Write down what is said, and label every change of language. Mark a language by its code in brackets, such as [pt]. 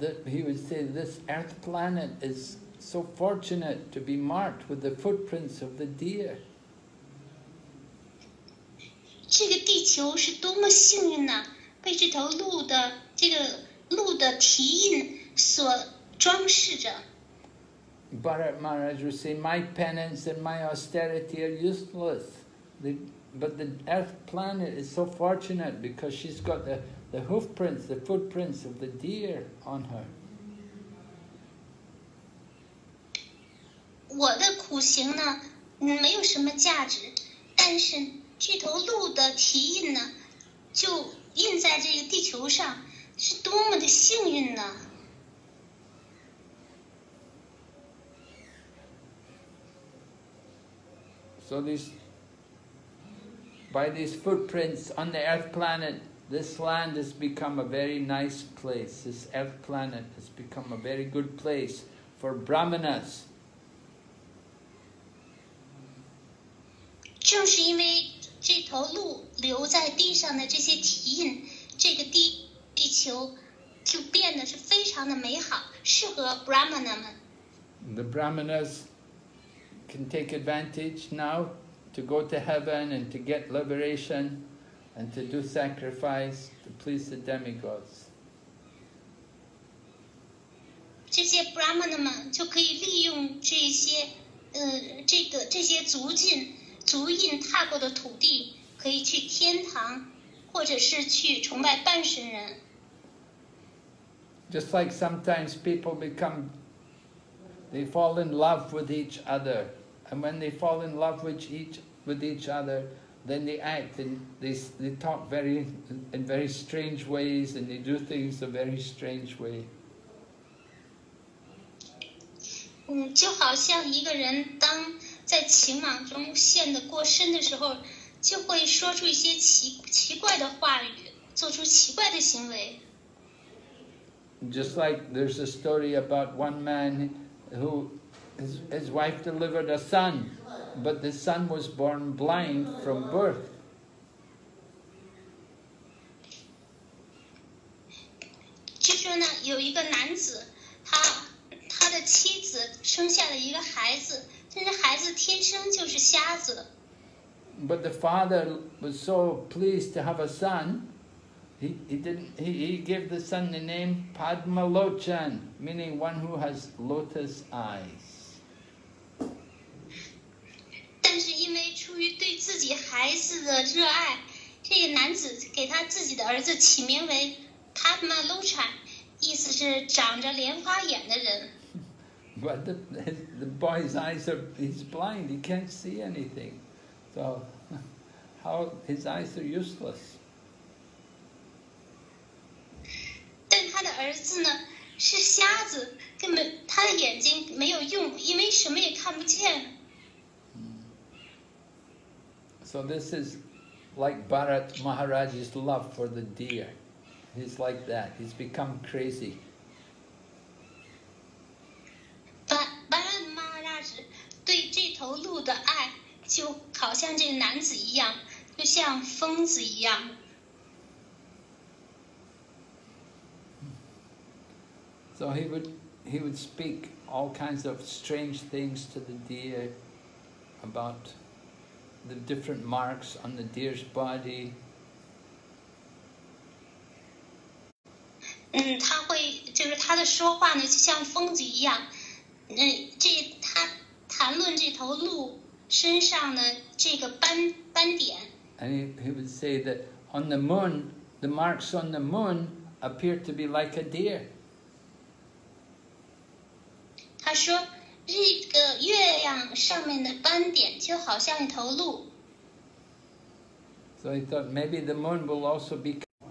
[en] That he would say, "This earth planet is so fortunate to be marked with the footprints of the deer." [zh] 这个地球是多么幸运呢？被这头鹿的这个鹿的蹄印所装饰着。 [en] Bharat Maharaj would say, "My penance and my austerity are useless." But the earth planet is so fortunate because she's got the hoof prints, the footprints of the deer on her. [zh] 我的苦行呢，没有什么价值，但是这头鹿的蹄印呢，就印在这个地球上，是多么的幸运呢！ [en] So this, by these footprints on the earth planet, this land has become a very nice place. This earth planet has become a very good place for brahmanas. [zh] 正是因为这头鹿留在地上的这些蹄印，这个地球就变得是非常的美好，适合 brahmana 们。 [en] The brahmanas can take advantage now to go to heaven and to get liberation and to do sacrifice to please the demigods. [zh] 这些 Brahmana 们就可以利用这些这些足印踏过的土地，可以去天堂，或者是去崇拜半神人。 [en] Just like sometimes people they fall in love with each other. And when they fall in love with each other, then they act and they talk in very strange ways and they do things a very strange way. [zh] 就好像一个人当在情网中陷得过深的时候，就会说出一些奇怪的话语，做出奇怪的行为。 [en] Just like there's a story about one man who his wife delivered a son, but the son was born blind from birth. [zh] 据说呢，有一个男子，他的妻子生下了一个孩子，但是孩子天生就是瞎子。 [en] But the father was so pleased to have a son, he gave the son the name Padmalochan, meaning one who has lotus eyes. [zh] 但是因为出于对自己孩子的热爱，这个男子给他自己的儿子起名为 Padma Lochan， 意思是长着莲花眼的人。 [en] But the boy's eyes are—he's blind. He can't see anything. So how his eyes are useless. [zh] 但他的儿子呢是瞎子，根本他的眼睛没有用，因为什么也看不见。 [en] So this is like Bharat Maharaj's love for the deer. He's like that. He's become crazy. [zh] Bharat Maharaj 对这头鹿的爱就好像这个男子一样，就像疯子一样。 [en] So he would speak all kinds of strange things to the deer about the different marks on the deer's body. [zh] 他会就是他的说话呢，就像疯子一样。这他谈论这头鹿身上的这个斑点。 [en] And he would say that on the moon, the marks on the moon appear to be like a deer. [zh] 他说，这个月亮上面的斑点就好像一头鹿。 [en] So he thought maybe the moon will also be.